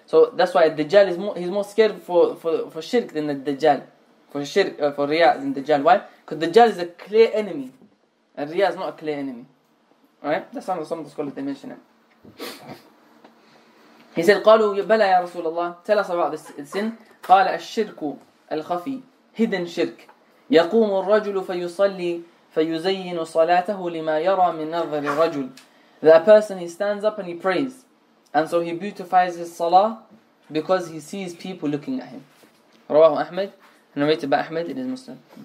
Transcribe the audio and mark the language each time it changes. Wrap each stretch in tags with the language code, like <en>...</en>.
<en>So that's why Dajjal is more, he's more scared for shirk than the Dajjal. For Riya than Dajjal. Why? Because Dajjal is a clear enemy. And Riya is not a clear enemy. Alright? That's some of the scholars they mention it. He said,</en> <ar>قَالُوا يَبَلَى يَا رَسُولَ اللَّهِ</ar> <en>Tell us about this sin.</en> <ar>قَالَ الشِّرْكُ الْخَفِي</ar> <en>Hidden shirk.</en> <ar>يَقُومُ الرَّجُلُ فَيُصَلِّي فَيُزَيِّنُ صَلَاتَهُ لِمَا يَرَى مِن نَظَرِ الرَّجُلِ</ar> <en>That person, he stands up and he prays. And so he beautifies his salah because he sees people looking at him. Rawahu Ahmed, narrated by Ahmed in his Muslim.</en>